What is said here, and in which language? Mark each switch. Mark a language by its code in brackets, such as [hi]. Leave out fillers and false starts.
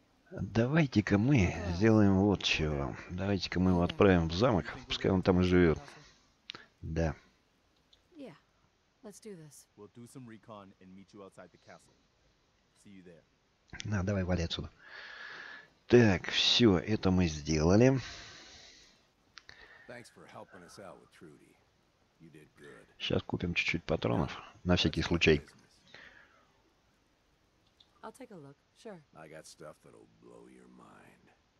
[ru] Давайте-ка мы сделаем вот чего. Давайте-ка мы его отправим в замок, пускай он там и живет. Да. [en] Yeah, let's do this. We'll do some recon and meet you outside the castle. See you there. [ru] На, давай, вали отсюда. Так, все, это мы сделали. [en] Thanks for helping us out with Trudy. You did good. [ru] Сейчас купим чуть-чуть патронов, на всякий случай. [en] I'll take a look. Sure. I got stuff that'll blow your mind.